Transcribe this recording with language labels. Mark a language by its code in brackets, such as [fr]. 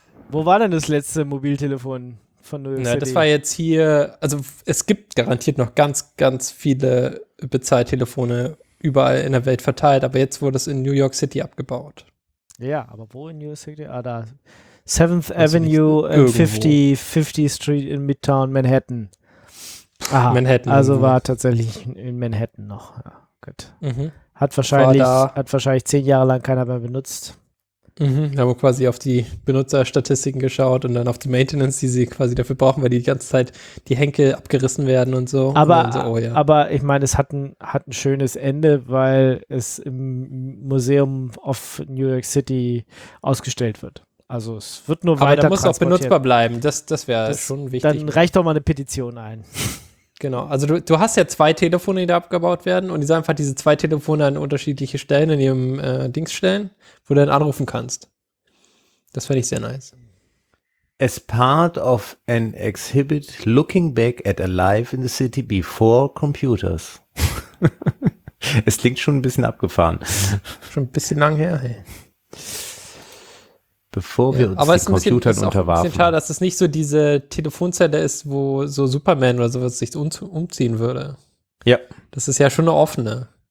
[de] Wo war denn das letzte Mobiltelefon von New York City? Na, das war jetzt hier, also es gibt garantiert noch ganz, ganz viele Bezahltelefone überall in der Welt verteilt, aber jetzt wurde es in New York City abgebaut. Ja, aber wo in New York City? Ah, da. [en] 7th Avenue and 50 Street in Midtown, Manhattan. [de] Aha, Manhattan. Also war tatsächlich in Manhattan noch. Ja, gut. Mhm. Hat wahrscheinlich 10 Jahre lang keiner mehr benutzt. Mhm. Wir haben quasi auf die Benutzerstatistiken geschaut und dann auf die Maintenance, die sie quasi dafür brauchen, weil die ganze Zeit die Henkel abgerissen werden und so. Aber, und so, oh ja. Aber ich meine, es hat ein schönes Ende, weil es im Museum of New York City ausgestellt wird. Also es wird nur weiter transportiert. Aber da muss auch benutzbar bleiben, das wäre schon wichtig. Dann reicht doch mal eine Petition ein. Genau, also du hast ja 2 Telefone, die da abgebaut werden und die sollen einfach diese 2 Telefone an unterschiedliche Stellen in ihrem Dings stellen, wo du dann anrufen kannst. Das fände ich sehr nice. [en] As part of an exhibit looking back at a life in the city before computers. [de] Es klingt schon ein bisschen abgefahren. Schon ein bisschen lang her, hey. Bevor wir uns den Computern unterwarfen. Aber es ist ein bisschen schade, dass es nicht so diese Telefonzelle ist, wo so Superman oder sowas sich umziehen würde. Ja. Das ist ja schon eine offene.